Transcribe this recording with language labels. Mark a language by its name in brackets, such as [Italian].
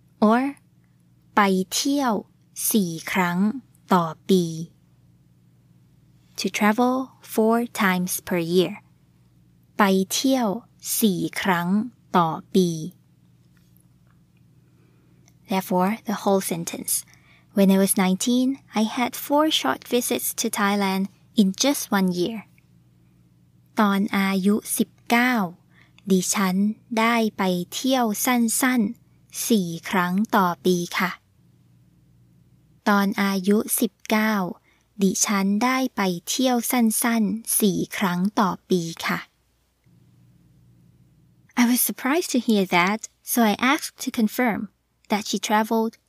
[Thai] or ไปเที่ยว4ครั้งต่อปี [English] to travel 4 times per year [Thai] ไปเที่ยวสี่ครั้งต่อปี [English] Therefore, the whole sentence. When I was 19, I had 4 short visits to Thailand in just 1 year. [Thai] ตอนอายุ19, ดิฉันได้ไปเที่ยวสั้นๆ4ครั้งต่อปีค่ะ ตอนอายุ19, ดิฉันได้ไปเที่ยวสั้นๆ4ครั้งต่อปีค่ะ [English] I was surprised to hear that, so I asked to confirm that she traveled